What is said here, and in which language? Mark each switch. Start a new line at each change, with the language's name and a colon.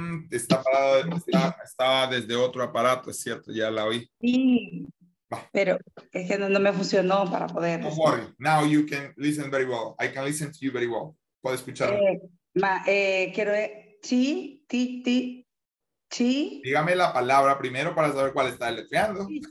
Spanish: Está parado, estaba desde otro aparato, es cierto, ya la oí. Sí, va. Pero es que no me funcionó para poder.
English: No worry, now you can listen very well. I can listen to you very well.
Spanish: Puedes escuchar. Quiero ti. Dígame la palabra primero para saber cuál está deletreando.